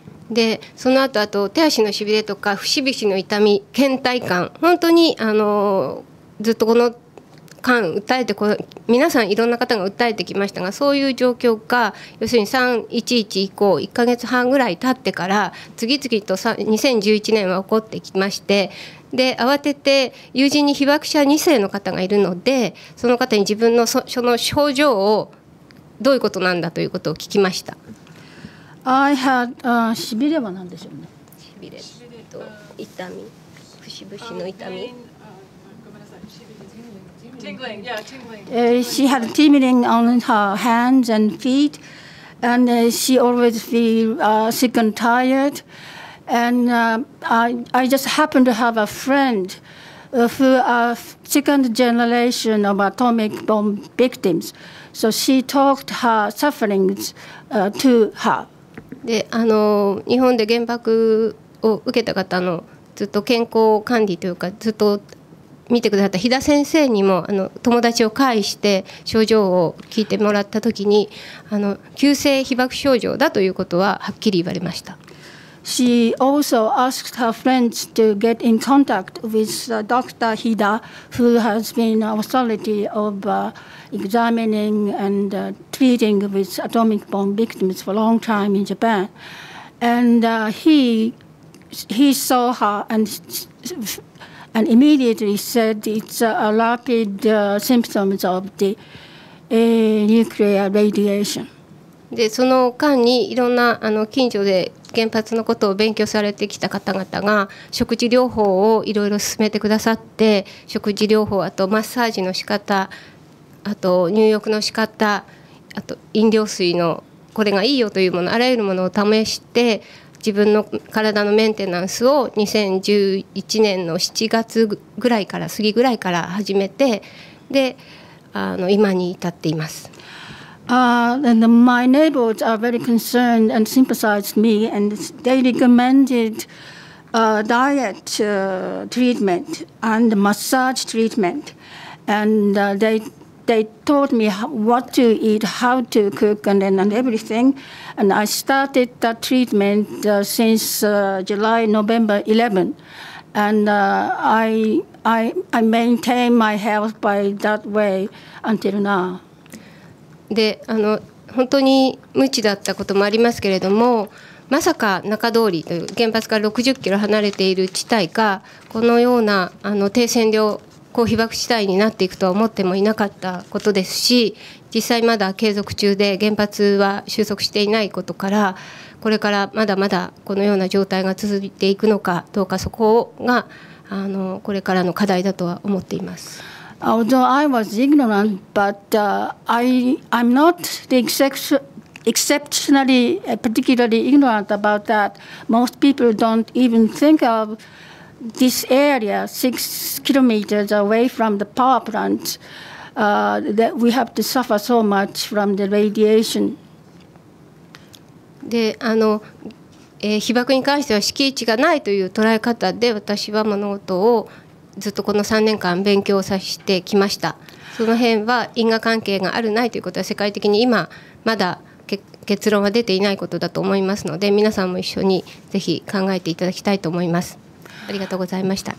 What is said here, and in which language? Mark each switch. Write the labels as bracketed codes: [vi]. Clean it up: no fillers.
[ja] でその後あと手足のしびれとか節々の痛み、倦怠感、本当にあのずっとこの間訴えて、皆さんいろんな方が訴えてきましたが、そういう状況が要するに3.11以降1ヶ月半ぐらい経ってから次々と2011年は起こってきまして、で慌てて友人に被爆者2世の方がいるので、その方に自分の その症状をどういうことなんだということを聞きました。 [en] I had [ja] しびれは何でしょうね。しびれと痛み、節々の痛み。 [en] She had tingling on her hands and feet, and she always feel sick and tired. And I just happened to have a friend who are second generation of atomic bomb victims. So she talked her sufferings to her. [ja] で、あの日本で原爆を受けた方のずっと健康管理というかずっと見てくださった日田先生にもあの友達を介して症状を聞いてもらった時に、あの急性被爆症状だということははっきり言われました。 [en] She also asked her friends to get in contact with Dr. Hida who has been authority of examining andtreating with atomic bomb victims for a long time in Japan. And he saw her and immediately said it's a rapid symptoms of the nuclear radiation. [ja] で、その間にいろんなあの近所で原発のことを勉強されてきた方々が食事療法をいろいろ進めてくださって、食事療法、あとマッサージの仕方、あと入浴の仕方、あと飲料水のこれがいいよというもの、あらゆるものを試して自分の体のメンテナンスを2011年の7月ぐらいから過ぎぐらいから始めて、であの今に至っています。 [en] And my neighbors are very concerned and sympathized me and they recommended diet treatment and massage treatment and they taught me what to eat, how to cook and everything. And I started the treatment since July, November 11. And I maintain my health by that way until now. [ja] で、あの本当に無知だったこともありますけれども、まさか中通りという原発から60キロ離れている地帯がこのようなあの低線量こう被爆地帯になっていくとは思ってもいなかったことですし、実際まだ継続中で原発は収束していないことから、これからまだまだこのような状態が続いていくのかどうか、そこがあのこれからの課題だとは思っています。 [en] Although I was ignorant but I'm not the exceptionally particularly ignorant about that. Most people don't even think ofThis area, 6 kilometers away from the power plant, that we have to suffer so much from the radiation. [ja] で、あの、被爆に関しては敷地がないという捉え方で、私は物事をずっとこの3年間勉強させてきました。その辺は因果関係があるないということは世界的に今まだ結論は出ていないことだと思いますので、皆さんも一緒にぜひ考えていただきたいと思います。ありがとうございました。